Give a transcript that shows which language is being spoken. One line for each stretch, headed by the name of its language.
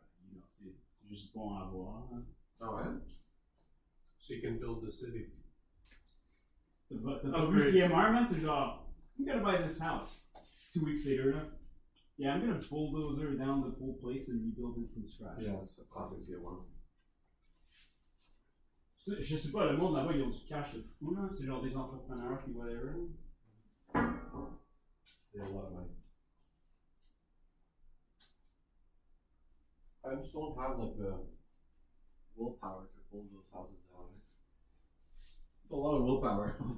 English: You know, see, it's just
French: bon à voir.
English: Oh, yeah? So you can build the city. The oh, great. DMR message, oh, I'm gonna buy this house. 2 weeks later, enough. Yeah, I'm gonna bulldozer down the whole place and rebuild it from scratch. Yeah, it's a classic DMR.
French: Je sais pas, le monde là-bas, ils ont du cash de fou, là. C'est genre des entrepreneurs qui whatever.
English: They have a lot of money. I just don't have, like, the willpower to hold those houses down. It's a lot of willpower.